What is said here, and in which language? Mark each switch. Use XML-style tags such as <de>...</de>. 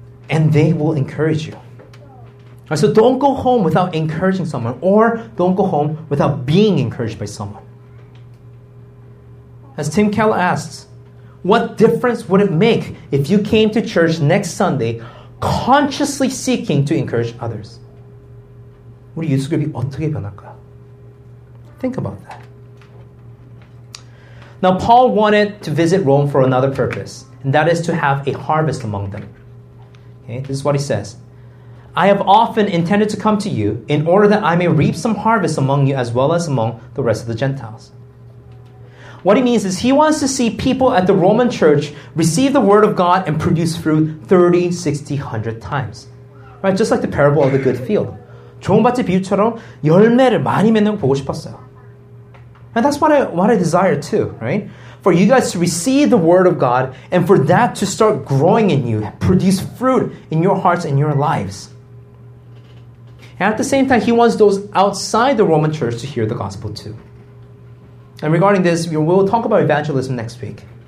<en>And they will encourage you. Right, so don't go home without encouraging someone, or don't go home without being encouraged by someone. As Tim Keller asks, what difference would it make if you came to church next Sunday consciously seeking to encourage others?</en> <ko>우리 예수 그룹이 어떻게 변할까?</ko> <en>Think about that. Now, Paul wanted to visit Rome for another purpose, and that is to have a harvest among them. Okay, this is what he says. I have often intended to come to you in order that I may reap some harvest among you as well as among the rest of the Gentiles. What he means is he wants to see people at the Roman church receive the word of God and produce fruit 30, 60, 100 times. Right? Just like the parable of the good field.</en> <ko>좋은 밭의 비유처럼 열매를 많이 맺는 거 보고 싶었어요.</ko> <en>And that's what I desire too, right? For you guys to receive the word of God and for that to start growing in you, produce fruit in your hearts and your lives. And at the same time, he wants those outside the Roman church to hear the gospel too. And regarding this, we will talk about evangelism next week.</en>